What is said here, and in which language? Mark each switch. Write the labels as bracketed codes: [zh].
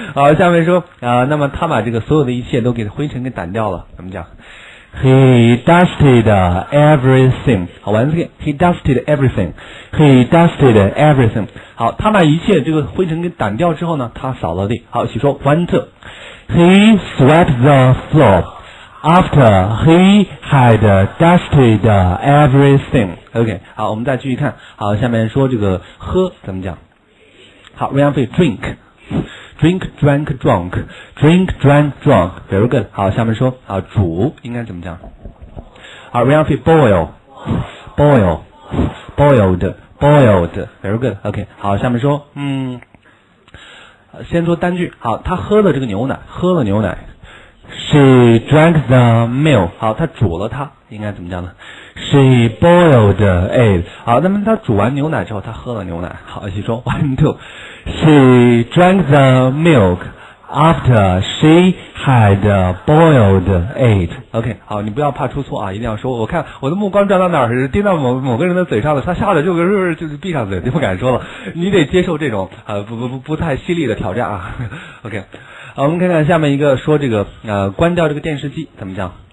[zh] 好，下面说那么他把这个所有的一切都给灰尘给掸掉了，怎么讲 ？ [en] He dusted everything. [zh] 好，完了 [en] ，He dusted everything. He dusted everything. [zh] 好，他把一切这个灰尘给掸掉之后呢，他扫了地。好，起说 went. [en] He swept the floor after he had dusted everything. [zh] OK， 好，我们再继续看。好，下面说这个喝怎么讲？ [en] 好 ，Ryan Fee drink, drink, drank, drunk, drink, drank, drunk. Very good. [zh] 好，下面说煮应该怎么讲？ [en] 好 ，Ryan Fee boil, boil, boiled. Boiled, very good. [zh] OK, 好，下面说，先说单句。好，他喝了这个牛奶，喝了牛奶。 [en] She drank the milk. [zh] 好，他煮了它，应该怎么讲呢 ？ [en] She boiled it. [zh] 好，那么他煮完牛奶之后，他喝了牛奶。好，一起说 ， [en] one, two. She drank the milk after she had boiled it. [zh] OK, 好，你不要怕出错啊，一定要说。我看我的目光转到哪儿，盯到某个人的嘴上了，他吓得就闭上嘴，就不敢说了。你得接受这种不太犀利的挑战啊。 OK, 好，我们看看下面一个说这个关掉这个电视机怎么讲？